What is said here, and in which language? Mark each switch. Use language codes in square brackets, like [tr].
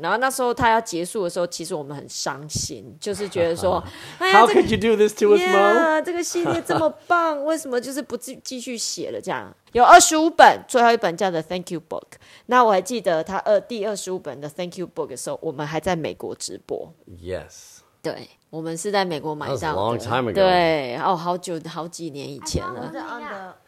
[zh] 然后那时候他要结束的时候，其实我们很伤心，就是觉得说 [en] How could you do this to us, Mo? [zh] 这个系列这么棒，为什么就是不继续写了这样？有25本，最后一本叫 The Thank You Book。那我还记得他第25本的 Thank You Book 的时候，我们还在美国直播。 [en] Yes. [zh] 对，我们是在美国买上的。 [en] That was a long time ago. [zh] 对，哦，好久，好几年以前了。